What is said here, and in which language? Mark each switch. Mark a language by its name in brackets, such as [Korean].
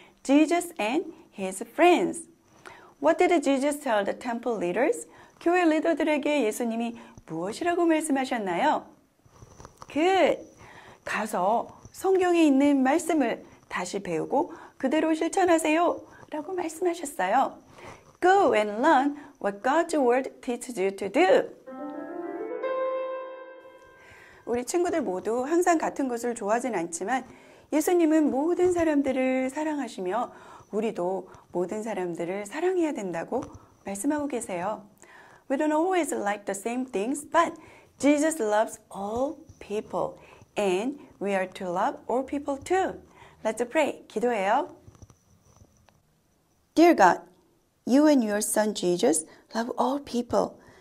[English] Jesus and his friends. What did Jesus tell the temple leaders? [Korean] 교회 리더들에게 예수님이 무엇이라고 말씀하셨나요? [English] Good! [Korean] 가서 성경에 있는 말씀을 다시 배우고 그대로 실천하세요 라고 말씀하셨어요. [English] Go and learn what God's word teaches you to do. [Korean] 우리 친구들 모두 항상 같은 것을 좋아하진 않지만 예수님은 모든 사람들을 사랑하시며 우리도 모든 사람들을 사랑해야 된다고 말씀하고 계세요. [English] We don't always like the same things, but Jesus loves all people, and we are to love all people too. Let's pray. [Korean] 기도해요. [English] Dear God, you and your son Jesus love all people.